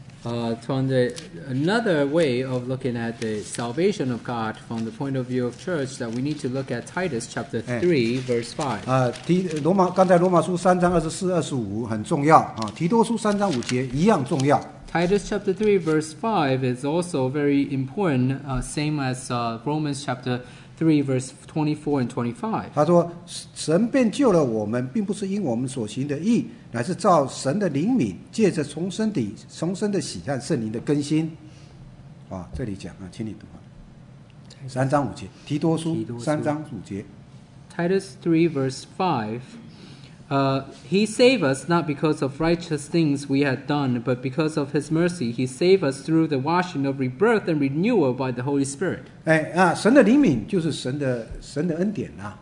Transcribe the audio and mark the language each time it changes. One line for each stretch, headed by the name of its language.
English: From the another way of looking at the salvation of God from the point of view of church, that we need to look at Titus chapter 3 verse 5.
Chinese: 刚才罗马书三章二十四、二十五很重要提多书三章五节一样重要。
English: Titus chapter 3 verse 5 is also very important, same as Romans chapter 3 verse 24 and 25. Titus 3 verse 5. He saved us not because of righteous things we had done, but because of his mercy. He saved us through the washing of rebirth and renewal by the Holy Spirit.
Chinese: 神的怜悯就是神的恩典